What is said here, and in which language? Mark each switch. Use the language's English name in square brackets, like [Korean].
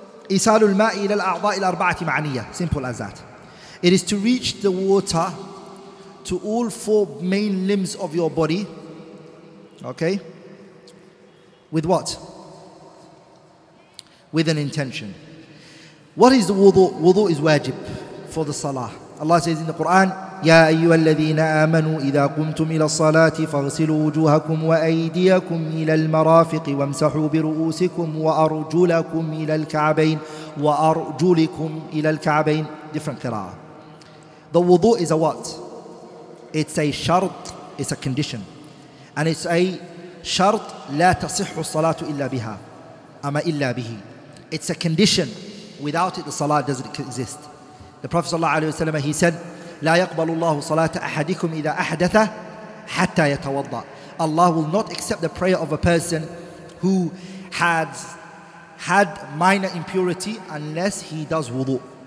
[Arabic] إسال الماء إلى الأعضاء الأربعة معنية. [English] Simple as that. It is to reach the water to all four main limbs of your body. Okay? With what? With an intention. What is the wudu? Wudu is wajib for the salah. Allah says in the Quran, [Arabic] يَا أَيُّهَا الَّذِينَ آمَنُوا إِذَا قُمْتُمْ إِلَى الصَّلَاةِ فَاغْسِلُوا وُجُوهَكُمْ وَأَيْدِيَكُمْ إِلَى الْمَرَافِقِ وَامْسَحُوا بِرُؤُوسِكُمْ وَأَرْجُلَكُمْ إِلَى الْكَعْبَيْنِ وَأَرْجُلِكُمْ إِلَى الْكَعْبَيْنِ. [English] Different qira'ah. The wudu is a what? It's a shart, it's a condition. And it's a shart, [Arabic] لا تصح الصلاة إلا بها. أما إلا به. [English] It's a condition. Without it, the salah doesn't exist. [Arabic] The Prophet صلى الله عليه وسلم, [English] he said, [Arabic] لا يقبل الله صلاة أحدكم إذا أحدث حتى يتوضأ. [English] Allah will not accept the prayer of a person who has had minor impurity unless he does wudu.